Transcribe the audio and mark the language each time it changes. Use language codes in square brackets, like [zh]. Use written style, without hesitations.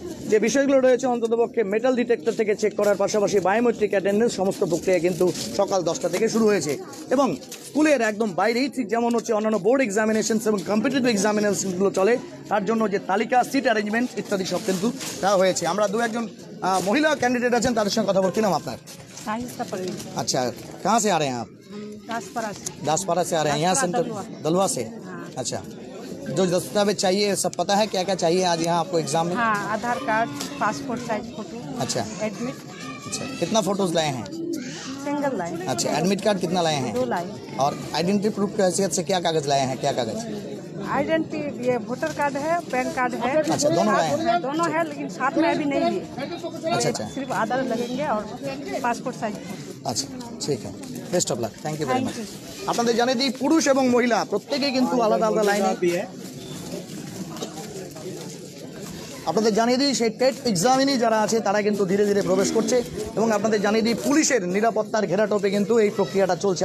[bn] যে বিষয়গুলো রয়েছে অন্ততপক্ষে মেটাল ডিটেক্টর থেকে চেক করার পাশাপাশি বায়োমেট্রিক অ্যাটেন্ডেন্স সমস্ত প্রক্রিয়া কিন্তু সকাল 10টা থেকে শুরু হয়েছে এবং স্কুলের একদম বাইরেই ঠিক যেমন হচ্ছে অন্যান্য বোর্ড এক্সামিনেশনস এবং কম্পিটিটিভ এক্সামিনেশনগুলো চলে তার জন্য যে তালিকা, সিট অ্যারেঞ্জমেন্ট ইত্যাদি সব কিন্তু দেওয়া হয়েছে। আমরা দু একজন মহিলা ক্যান্ডিডেট আছেন তাদের সঙ্গে কথা বলছি। নাম আপনার? আচ্ছা, [hi] কাহাঁ সে আ রে আপ? দাসপাড়া সে আ রে হ্যাঁ, ইয়াহ সেন্টার দলওয়া সে। আচ্ছা, जो दस्तावेज चाहिए सब पता है, क्या क्या चाहिए आज यहाँ आपको एग्जाम में? हाँ, आधार कार्ड, पासपोर्ट साइज फोटो। अच्छा, एडमिट। अच्छा, कितना फोटोज लाए हैं? सिंगल लाए। अच्छा, एडमिट कार्ड कितना लाए हैं? दो लाए। और आइडेंटिटी प्रूफ की हैसियत से क्या कागज लाए हैं? क्या कागज? आइडेंटिटी, ये वोटर कार्ड है, पैन कार्ड है। अच्छा, दोनों लाए हैं? दोनों है, लेकिन साथ में अभी नहीं है। अच्छा अच्छा, सिर्फ आधार लगेंगे और पासपोर्ट साइज। [bn] अच्छा ঠিক আছে, best of luck, thank you very much. আপনাদের জানিয়ে দিই পুরুষ এবং মহিলা প্রত্যেকেই কিন্তু আলাদা আলাদা লাইনে। আপনাদের জানিয়ে দিই সেই টেট এক্সামিনী যারা আছে তারা কিন্তু ধীরে ধীরে প্রবেশ করছে এবং আপনাদের জানিয়ে দিই পুলিশের নিরাপত্তার ঘেরাটোপে কিন্তু এই প্রক্রিয়াটা চলছে।